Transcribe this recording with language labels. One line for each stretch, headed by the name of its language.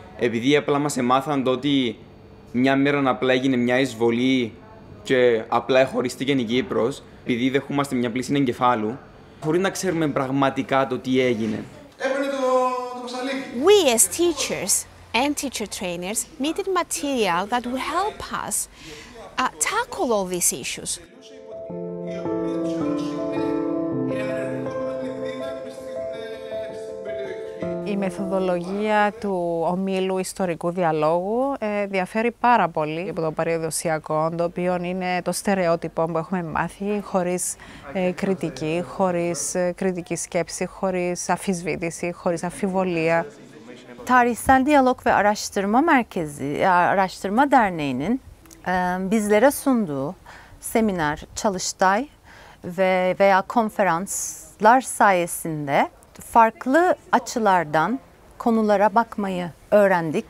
Greek: Επειδή απλά μας εμάθαν ότι μια μέρα απλά έγινε μια εισβολή και απλά χωριστήκε η Κύπρος, επειδή δεχόμαστε μια πλήση εγκεφάλου, χωρίς να ξέρουμε πραγματικά το τι έγινε. Έπαινε το μασαλί.
English: We as teachers and teacher trainers needed material that would help us tackle all these issues.
Greek: Η μεθοδολογία του ομίλου ιστορικού διαλόγου διαφέρει πάρα πολύ από το παραδοσιακό, το οποίο είναι το στερεότυπο που έχουμε μάθει, χωρίς κριτική, χωρίς κριτική σκέψη, χωρίς αφισβήτηση, χωρίς αφιβολία.
Turkish: Tarihsel Diyalog ve Araştırma Merkezi, Araştırma Derneği'nin bizlere sunduğu seminer, çalıştay veya konferanslar sayesinde farklı açılardan konulara bakmayı öğrendik.